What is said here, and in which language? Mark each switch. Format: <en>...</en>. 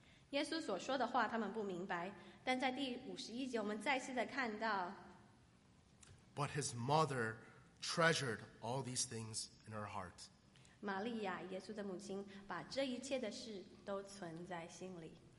<zh>耶稣所说的话他们不明白，但在第51节我们再次的看到。</zh> <en>But his mother treasured all these things in her heart.</en> <zh>玛利亚，耶稣的母亲，把这一切的事都存在心里。</zh>